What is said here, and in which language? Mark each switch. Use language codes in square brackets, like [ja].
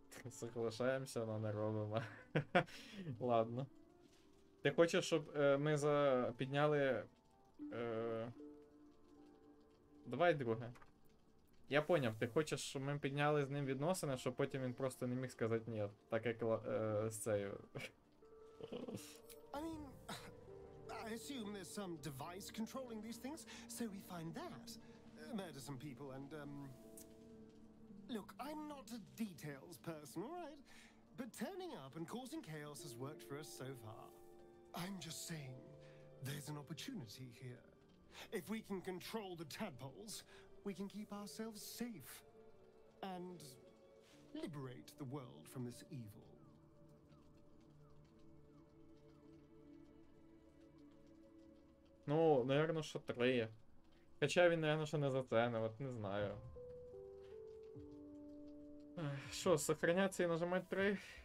[uk] Соглашаємося, але не робимо. Ладно. Ти хочеш, щоб ми підняли... Давай друге. Я поняв, ти хочеш, щоб ми підняли з ним відносини, щоб потім він просто не міг сказати ні, так як з цією. [en] I mean, I assume there's some device controlling these things, so we find that. Murder some people and, Look, I'm not a details person, all right? But turning up and causing chaos has worked for us so far. I'm just saying, there's an opportunity here. If we can control the tadpoles, we can keep ourselves safe and liberate the world from this evil. [uk] Ну, наверное, що три. Хоча він, наверное, що не за це, вот не знаю. Що, сохраняться і нажимать три?